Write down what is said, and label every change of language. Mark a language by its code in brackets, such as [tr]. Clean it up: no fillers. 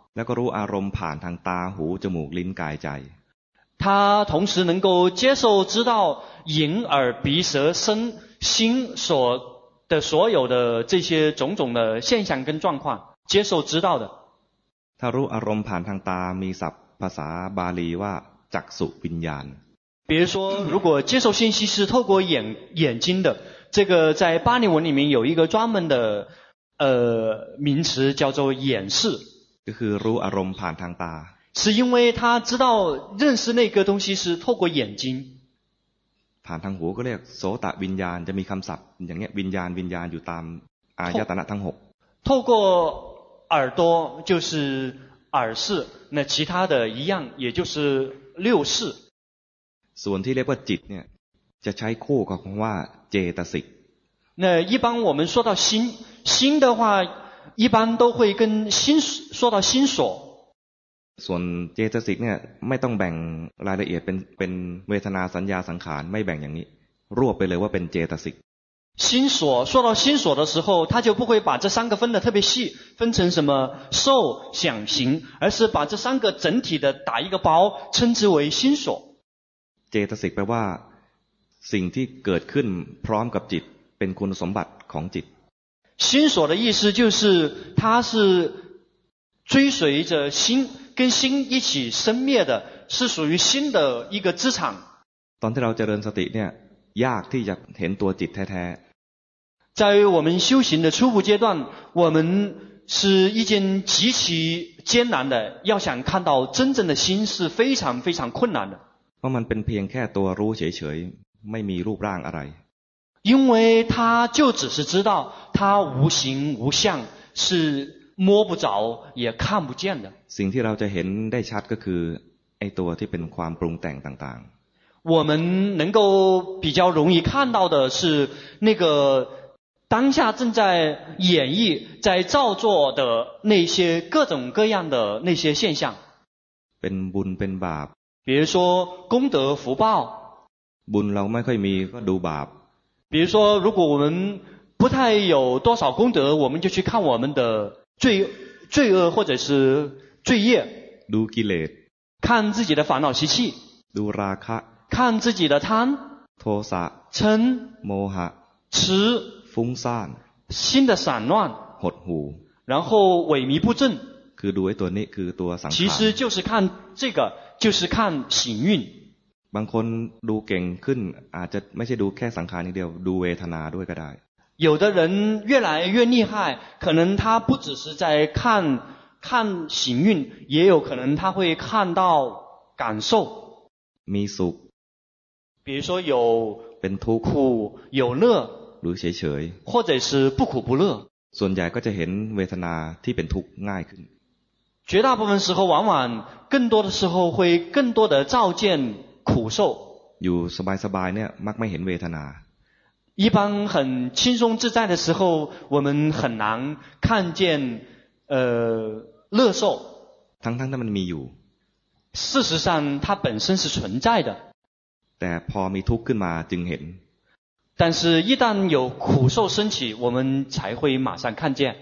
[th] แล้วก็รู้อารมณ์ผ่านทางตาหูจมูกลิ้นกายใจ [zh] 他同时能够接受知道眼耳鼻舌身心所的所有的这些种种的现象跟状况接受知道的 [th] ถ้ารู้อารมณ์ผ่านทางตามีศัพท์ภาษาบาลีว่าจักษุวิญญาณ [zh] 比如说如果接受信息是透过眼睛的这个在巴利文里面有一个专门的名词叫做眼视就是 [th] รู้อารมณ์ผ่านทางตา [zh] 是因为他知道认识那个东西是透过眼睛 [th] ผ่านทางหูก็เรียกโสตวิญญาณจะมีคำศัพท์อย่างเงี้ยวิญญาณอยู่ตามอายตนะทั้ง6 [zh] 透过耳朵就是耳视那其他的一样也就是六视 [th] ส่วนที่เรียกว่าจิตเนี่ยจะใช้คู่กับคำว่าเจตสิก [zh] 那一般我们说到心的话一般都会跟心说到心所 [th] ส่วนเจตสิกเนี่ยไม่ต้องแบ่งรายละเอียดเป็นเวทนาสัญญาสังขารไม่แบ่งอย่างนี้รวบไปเลยว่าเป็นเจตสิก [zh] 心所说到心所的时候他就不会把这三个分得特别细分成什么受想行而是把这三个整体的打一个包称之为心所 [th] เจตสิกแปลว่าสิ่งที่เกิดขึ้นพร้อมกับจิตเป็นคุณสมบัติของจิต [zh] 心所的意思就是它是追随着心跟心一起生灭的是属于心的一个资产 [th] ตอนที่เราเจริญสติเนี่ยยากที่จะเห็นตัวจิตแท้ [zh] ๆ在于我们修行的初步阶段我们是一件极其艰难的要想看到真正的心是非常非常困难的 [th] เพราะมันเป็นเพียงแค่ตัวรู้เฉยๆไม่มีรูปร่างอะไร [zh] 因为他就只是知道他无形无相是摸不着也看不见的 [th] สิ่งที่เราจะเห็นได้ชัดก็คือไอ้ตัวที่เป็นความปรุงแต่งต่าง [zh] ๆ我们能够比较容易看到的是那个当下正在演绎在造作的那些各种各样的那些现象 [th] เป็นบุญเป็นบาป [zh] 比如说功德福报 [th] บุญเราไม่ค่อยมีก็ดูบาป [zh] 比如说如果我们不太有多少功德我们就去看我们的罪恶或者是罪业 [th] ดูกิเลส [zh] 看自己的烦恼习气 [th] ดูราคะ [zh] 看自己的贪 [th] โทสะ [zh] 嗔 [th] โมหะ [zh] 痴 [th] ฟุ้งซ่าน [zh] 心的散乱 [th] หดหู [zh] 然后萎靡不振 [th] คือดูไอ้ตัวนี้คือตัวสังขาร [zh] 其实就是看这个就是看行运 [th] บางคนดูเก่งขึ้นอาจจะไม่ใช่ดูแค่สังขารอย่างเดียวดูเวทนาด้วยก็ได้ [zh] 有的人越来越厉害可能他不只是在看行运也有可能他会看到感受 [th] มีสุข [zh] 比如说有 [th] เป็นทุกข์ [zh] 苦有乐 [th] หรือเฉยเฉย [zh] 或者是不苦不乐 [th] ส่วนใหญ่ก็จะเห็นเวทนาที่เป็นทุกข์ง่ายขึ้น [zh] 绝大部分时候往往更多的时候会更多的照见苦受 [th] อยู่สบายๆเนี่ยมักไม่เห็นเวทนา [zh] 一般很轻松自在的时候我们很难看见乐受 [th] ทั้งที่มันมีอยู่ [zh] 事实上它本身是存在的 [th] แต่พอมีทุกข์ขึ้นมาจึงเห็น [zh] 但是一旦有苦受升起我们才会马上看见